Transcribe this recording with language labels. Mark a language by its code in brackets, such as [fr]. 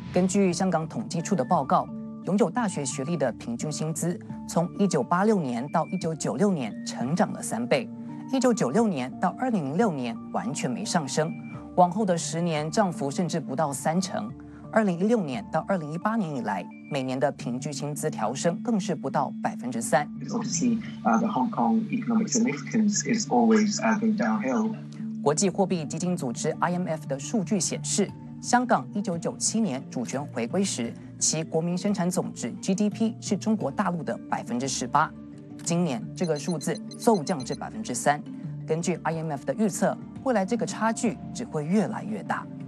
[zh] 根据香港统计处的报告，拥有大学学历的平均薪资从1986年到1996年成长了3倍，1996年到2006年完全没上升，往后的10年涨幅甚至不到3成。 2016年到2018年以来，每年的平均薪资调升更是不到3%。 [en] The Hong Kong economic significance is always going downhill. [zh] 国际货币基金组织 IMF 的数据显示，香港1997年主权回归时，其国民生产总值 GDP 是中国大陆的18%。今年这个数字骤降至3%。根据 IMF 的预测，未来这个差距只会越来越大。